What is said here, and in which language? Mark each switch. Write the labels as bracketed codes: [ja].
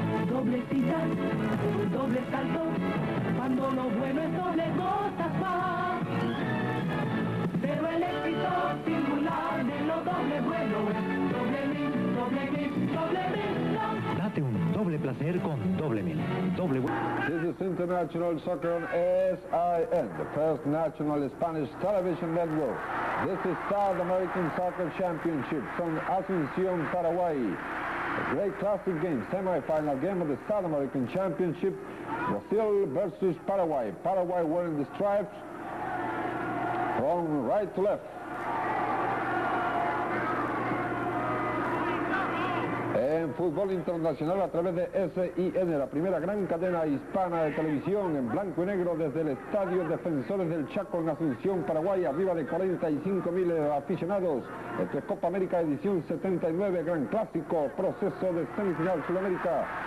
[es] Doble tira, doble salto, cuando lo bueno es doble cosa va. Pero el éxito singular de lo doble bueno, doble mil, doble mil, doble mil. Date un doble placer con doble mil, doble bueno. [en] This is International Soccer on SIN, the first national Spanish television network. This is South American Soccer Championship from Asunción, Paraguay. A great classic game, semi-final game of the South American Championship, Brazil versus Paraguay. Paraguay wearing the stripes from right to left. [es] En fútbol internacional a través de SIN, la primera gran cadena hispana de televisión, en blanco y negro desde el estadio Defensores del Chaco en Asunción, Paraguay, arriba de 45.000 aficionados. Esto es Copa América edición 79, gran clásico, proceso de semifinal Sudamérica.